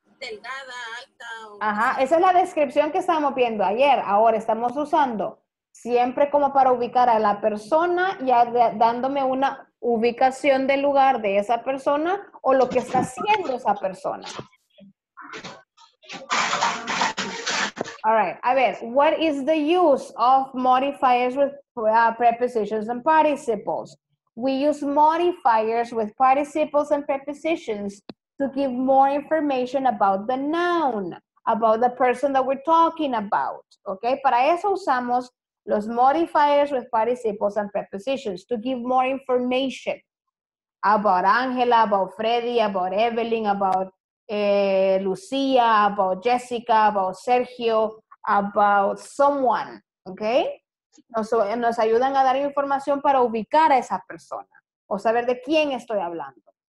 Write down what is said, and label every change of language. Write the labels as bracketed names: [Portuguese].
[Spanish] Delgada, alta. Esa es la descripción que estábamos viendo ayer. Ahora estamos usando siempre como para ubicar a la persona y dándome una ubicación del lugar de esa persona o lo que está haciendo esa persona. [English] All right. [Spanish] A ver, [English] what is the use of modifiers with prepositions and participles? We use modifiers with participles and prepositions to give more information about the noun, about the person that we're talking about, okay? [Spanish] Para eso usamos los [English] modifiers with participles and prepositions, to give more information about Angela, about Freddy, about Evelyn, about Lucia, about Jessica, about Sergio, about someone, okay? [Spanish] Nos ayudan a dar información para ubicar a esa persona, o saber de quién estoy hablando.